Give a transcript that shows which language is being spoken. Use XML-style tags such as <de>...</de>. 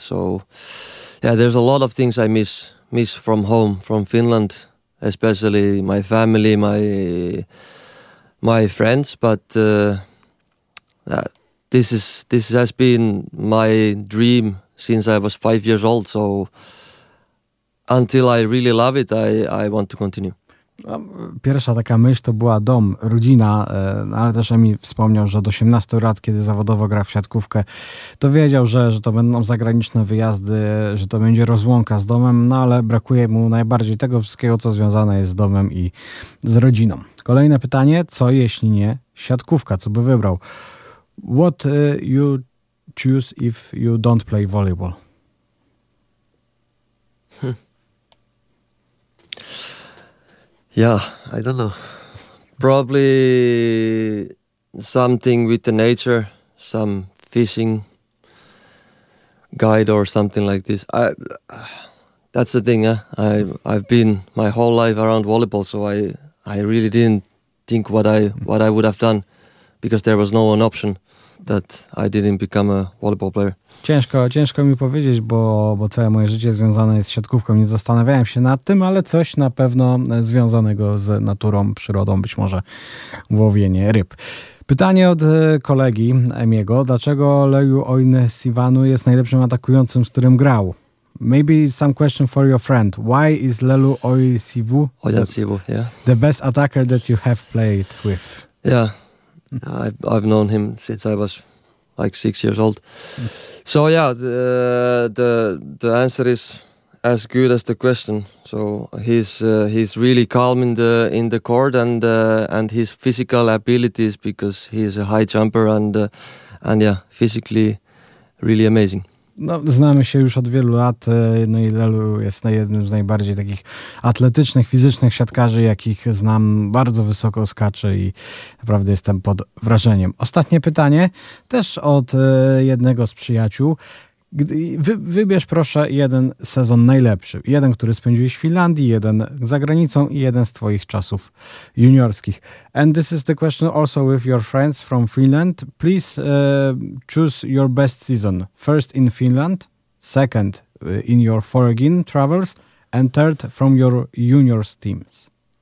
<en>So yeah, there's a lot of things I miss from home, from Finland, especially my family, my friends. But this has been my dream since I was 5 years old. So until I really love it, I want to continue.</en> <pl>No, pierwsza taka myśl to była dom, rodzina, ale też Emi wspomniał, że od 18 lat, kiedy zawodowo gra w siatkówkę, to wiedział, że to będą zagraniczne wyjazdy, że to będzie rozłąka z domem, no ale brakuje mu najbardziej tego wszystkiego, co związane jest z domem i z rodziną. Kolejne pytanie, co jeśli nie siatkówka, co by wybrał?</pl> <en>What you choose if you don't play volleyball? Yeah, I don't know. Probably something with the nature, some fishing guide or something like this. That's the thing. I've been my whole life around volleyball, so I really didn't think what I would have done, because there was no one option that I didn't become a volleyball player.</en> <pl>Ciężko mi powiedzieć, bo całe moje życie związane jest z siatkówką. Nie zastanawiałem się nad tym, ale coś na pewno związanego z naturą, przyrodą, być może łowienie ryb. Pytanie od kolegi Emiego. Dlaczego Leju Oyne Sivanu jest najlepszym atakującym, z którym grał?</pl> <en>Maybe some question for your friend. Why is Leju Oyne Sivu the best attacker that you have played with? Yeah, I've known him since I was like 6 years old. So yeah, the answer is as good as the question. So he's really calm in the court, and his physical abilities, because he's a high jumper and yeah, physically really amazing.</en> <pl>No, znamy się już od wielu lat, no i Lelu jest jednym z najbardziej takich atletycznych, fizycznych siatkarzy, jakich znam, bardzo wysoko skacze i naprawdę jestem pod wrażeniem. Ostatnie pytanie, też od jednego z przyjaciół. Wybierz proszę jeden sezon najlepszy. Jeden, który spędziłeś w Finlandii, jeden za granicą i jeden z twoich czasów juniorskich.</pl> <en>And this is the question also with your friends from Finland. Please choose your best season. First in Finland, second in your foreign travels, and third from your juniors teams.</en>